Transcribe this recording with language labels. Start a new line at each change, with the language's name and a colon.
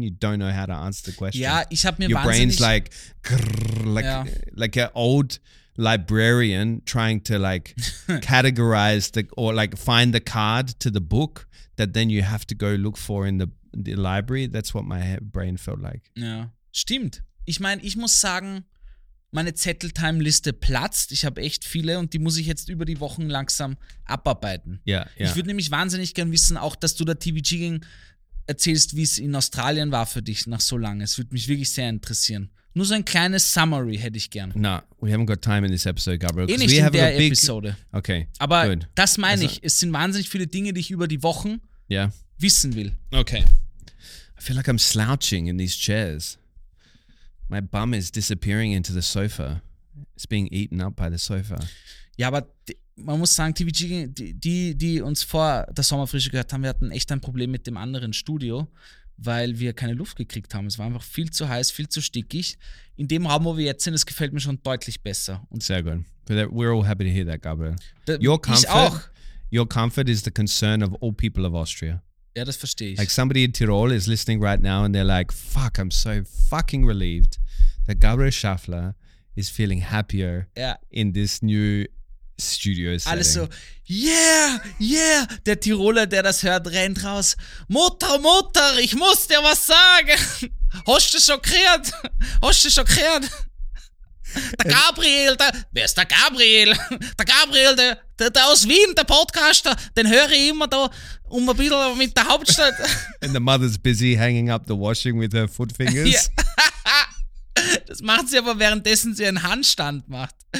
English: You don't know how to answer the question.
German: Ja, ich hab mir
English: your brain's like, grrr, like, ja. Like an old librarian trying to like categorize or like find the card to the book that then you have to go look for in the library. That's what my brain felt like.
German: Ja, stimmt. Ich meine, ich muss sagen, meine Zettel-Time-Liste platzt. Ich habe echt viele und die muss ich jetzt über die Wochen langsam abarbeiten. Ja, ja. Ich würde nämlich wahnsinnig gern wissen, auch dass du der TVG ging, erzählst, wie es in Australien war für dich nach so lange. Es würde mich wirklich sehr interessieren. Nur so ein kleines Summary hätte ich gern.
English: No, we haven't got time in this episode, Gabriel.
German: Eh nicht in der Episode. Okay, aber good. Das meine ich. Es sind wahnsinnig viele Dinge, die ich über die Wochen wissen will.
English: Okay. I feel like I'm slouching in these chairs. My bum is disappearing into the sofa. It's being eaten up by the sofa.
German: Ja, aber man muss sagen, TVG, die uns vor der Sommerfrische gehört haben, wir hatten echt ein Problem mit dem anderen Studio, weil wir keine Luft gekriegt haben. Es war einfach viel zu heiß, viel zu stickig. In dem Raum, wo wir jetzt sind, es gefällt mir schon deutlich besser. Und sehr gut.
English: We're all happy to hear that, Gabriel. Your comfort is the concern of all people of Austria.
German: Ja, das verstehe ich.
English: Like somebody in Tirol is listening right now and they're like, fuck, I'm so fucking relieved that Gabriel Schaffler is feeling happier in this new studio setting.
German: Alles so,
English: yeah, yeah.
German: Der Tiroler, der das hört, rennt raus. Mutter, Mutter, ich muss dir was sagen. Hast du schon gehört? Der Gabriel, wer ist der Gabriel? Der Gabriel, der aus Wien, der Podcaster, den höre ich immer da um ein bisschen mit der Hauptstadt.
English: And the mother's busy hanging up the washing with her foot fingers.
German: Ja. Das macht sie aber währenddessen sie einen Handstand macht.